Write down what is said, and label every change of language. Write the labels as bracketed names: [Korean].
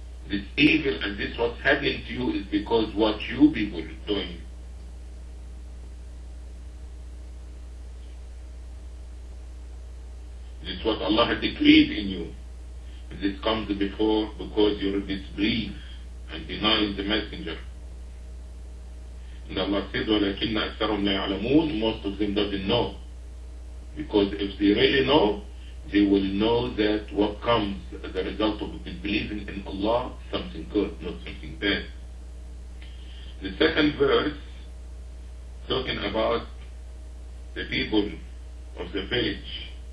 [English] this evil and this what's happening to you is because what you people are doing. This is what Allah has decreed in you. This comes before because you disbelieve and deny the Messenger. [Arabic] And Allah said, وَلَكِنَّ أَكْثَرُمْ لَا يَعْلَمُونَ. [English] Most of them doesn't know. Because if they really know, they will know that what comes as a result of disbelieving in Allah, something good, not something bad. The second verse, talking about the people of the village.